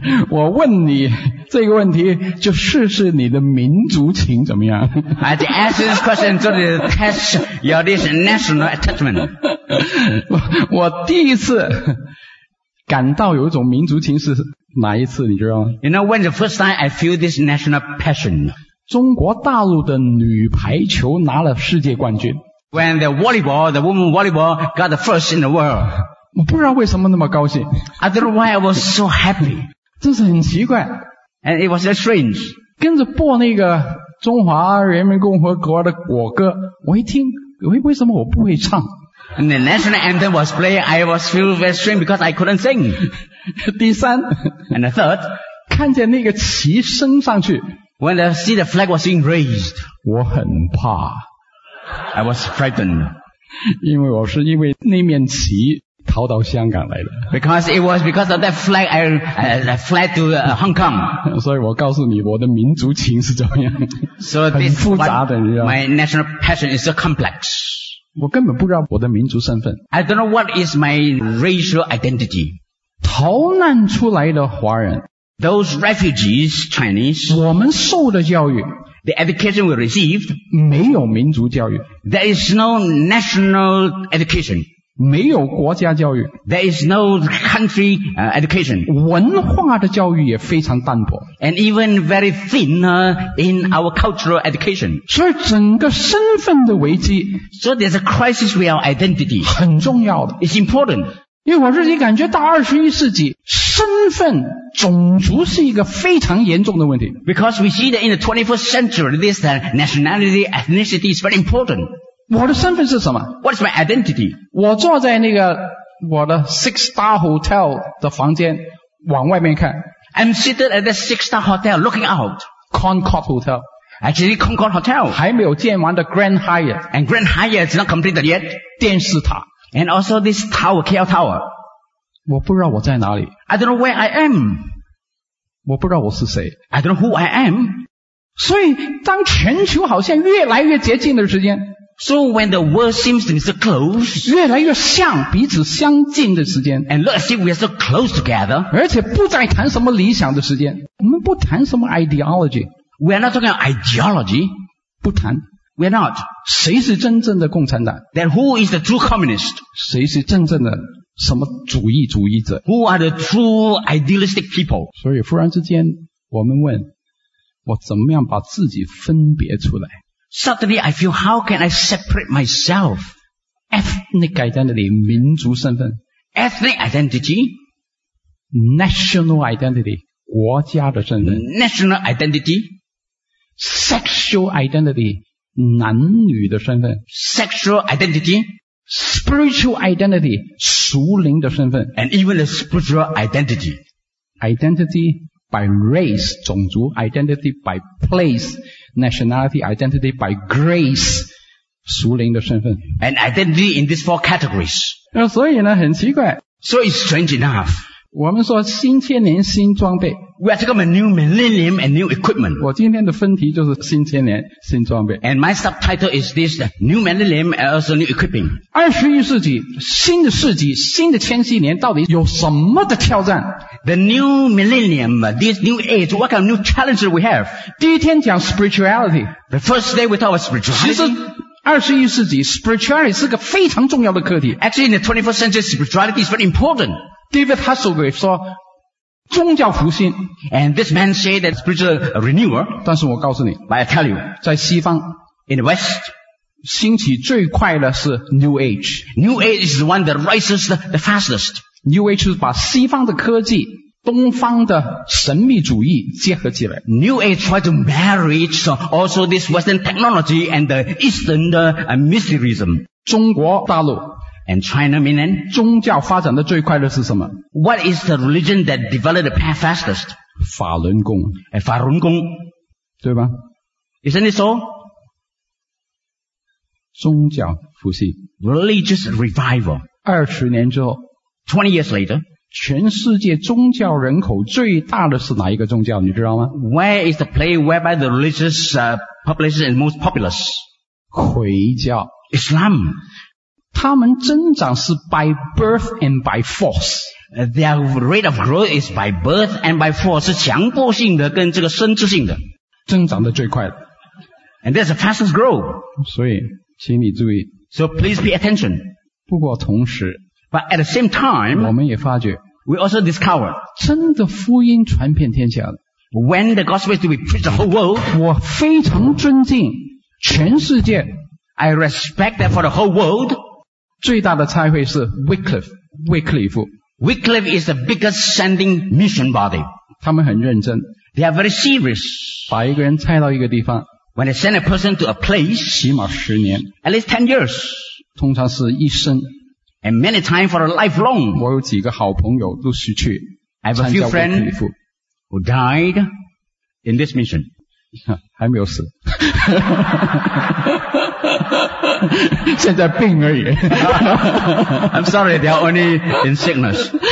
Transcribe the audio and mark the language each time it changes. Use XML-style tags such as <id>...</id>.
<zh>我问你这个问题，就试试你的民族情怎么样。</zh> <en>I just ask this question to test your this national attachment.</en> <zh>我第一次感到有一种民族情是哪一次，你知道吗？</zh> <en>You know when the first time I feel this national passion.</en> <zh>中国大陆的女排球拿了世界冠军。</zh> <en>When the volleyball, the woman volleyball got the first in the world.</en> <zh>我不知道为什么那么高兴。</zh> <en>I don't know why I was so happy.</en> <zh>真是很奇怪。</zh> <en>And it was very strange.</en> <zh>跟着播那个中华人民共和国的国歌，我一听，为什么我不会唱？</zh> <en>And the national anthem was played, I was feel very strange because I couldn't sing.</en> <zh>第三。</zh> <en>And the third.</en> <zh>看见那个旗升上去。</zh> <en>When I see the flag was being raised.</en> <zh>我很怕。</zh> <en>I was frightened.</en> <zh>因为我是因为那面旗逃到香港来的。</zh> <en>Because it was because of that flag I fled to Hong Kong.</en> <zh>所以我告诉你我的民族情是怎么样。</zh> <en>So</en> <zh>this 很复杂的，你知道。</zh> <en>My national passion is so complex.</en> <zh>我根本不知道我的民族身份。</zh> <en>I don't know what is my racial identity.</en> <zh>逃难出来的华人。</zh> <en>Those refugees, Chinese.</en> <zh>我们受的教育。</zh> <en>The education we received,</en> <zh>没有民族教育。</zh> <en>There is no national education.</en> <zh>没有国家教育。</zh> <en>There is no country education.</en> <zh>文化的教育也非常淡薄。</zh> <en>And even very thin in our cultural education.</en> <zh>所以整个身份的危机。</zh> <en>So there's a crisis with our identity.</en> <zh>很重要的。</zh> <en>It's important.</en> <zh>因为我自己感觉到21世纪身份种族是一个非常严重的问题。</zh> <en>Because we see that in the 21st century, this nationality, ethnicity is very important.</en> <zh>我的身份是什么？</zh> <en>What is my identity?</en> <zh>我坐在那个我的 Six Star Hotel 的房间往外面看。</zh> <en>I'm seated at the Six Star Hotel looking out. Concord Hotel. Actually, Concord Hotel.</en> <zh>还没有建完的 Grand Hyatt.</zh> <en>And Grand Hyatt is not completed yet.</en> <zh>电视塔。</zh> <en>And also this tower, KL Tower.</en> <zh>我不知道我在哪里。</zh> <en>I don't know where I am.</en> <zh>我不知道我是谁。</zh> <en>I don't know who I am.</en> <zh>所以当全球好像越来越接近的时间。</zh> <en>So when the world seems to be so close.</en> <zh>越来越像彼此相近的时间。</zh> <en>And let's see we are so close together.</en> <zh>而且不再谈什么理想的时间。我们不谈什么 ideology.</zh> <en>We are not talking about ideology.</en> <zh>不谈。</zh> <en>We're not.</en> <zh>谁是真正的共产党？</zh> <en>Then who is the true communist?</en> <zh>谁是真正的什么主义主义者？</zh> <en>Who are the true idealistic people?</en> <zh>所以忽然之间，我们问，我怎么样把自己分别出来？</zh> <en>Suddenly I feel how can I separate myself? Ethnic identity,</en> <zh>民族身份。</zh> <en>Ethnic identity? National identity,</en> <zh>国家的身份。</zh> <en>National identity? Sexual identity?</en> <zh>男女的身份。</zh> <en>Sexual identity. Spiritual identity.</en> <zh>属灵的身份。</zh> <en>And even the spiritual identity. Identity by race,</en> <zh>种族。</zh> <en>Identity by place, nationality. Identity by grace,</en> <zh>属灵的身份。</zh> <en>And identity in these four categories.</en> <zh>所以呢，很奇怪。</zh> <en>So it's strange enough.</en> <zh>我们说新千年新装备。</zh> <en>We are talking about new millennium and new equipment.</en> <zh>我今天的分题就是新千年新装备。</zh> <en>And my subtitle is this, new millennium and also new equipping.</en> <zh>21世纪新的世纪新的千禧年到底有什么的挑战？</zh> <en>The new millennium, this new age, what kind of new challenges we have?</en> <zh>第一天讲 spirituality.</zh> <en>The first day we talk about spirituality.</en> <zh>21世纪 spirituality 是个非常重要的课题。</zh> <en>Actually, in the 21st century, spirituality is very important.</en> <zh>David Hasselgrave 说宗教复兴。</zh> <en>And this man said that spiritual renewal.</en> <zh>但是我告诉你</zh> <en>But I tell you,</en> <zh>在西方</zh> <en>in the West,</en> <zh>兴起最快的是 New Age.</zh> <en>New Age is the one that rises the fastest.</en> <zh>New Age 是把西方的科技东方的神秘主义结合起来。</zh> <en>New Age tried to marry also this Western technology and the Eastern mysticism.</en> <zh>中国大陆</zh> <en>and China mainland</en> <zh>宗教发展的最快的是什么？</zh> <en>What is the religion that developed the fastest?</en> <zh>法轮功</zh> <en>and 法轮功</en> <zh>对吧？</zh> <en>Isn't it so?</en> <zh>宗教复兴</zh> <en>Religious revival</en> <zh>20年之后</zh> <en>20 years later</en> <zh>全世界宗教人口最大的是哪一个宗教你知道吗</zh> <en>Where is the place whereby the religious population is most populous?</en> <zh>回教</zh> <en>Islam</en> <zh>他们增长是</zh> <en>by birth and by force Their rate of growth is by birth and by force</en> <zh>是强迫性的跟这个生殖性的增长的最快的</zh> <en>And that's the fastest growth</en> <zh>所以请你注意</zh> <en>So please pay attention</en> <zh>不过同时</zh> <en>But at the same time,</en> <zh>我们也发觉</zh> <en>we also discover,</en> <zh>真的福音传遍天下了。</zh> <en>When the gospel is to be preached the whole world,</en> <zh>我非常尊敬全世界。</zh> <en>I respect that for the whole world.</en> <zh>最大的差会是 Wycliffe, 魏克里夫。</zh> <en>Wycliffe is the biggest sending mission body.</en> <zh>他们很认真。</zh> <en>They are very serious.</en> <zh>把一个人差到一个地方。</zh> <en>When they send a person to a place,</en> <zh>起码十年。</zh> <en>At least 10 years.</en> <zh>通常是一生。</zh> <en>And many times for a lifelong.</en> <zh>我有几个好朋友都失去。</zh> <en>I have a few friends who died in this mission.</en> <zh>还没有死。现在病而已。</zh> <en>I'm sorry, they are only in sickness.</en>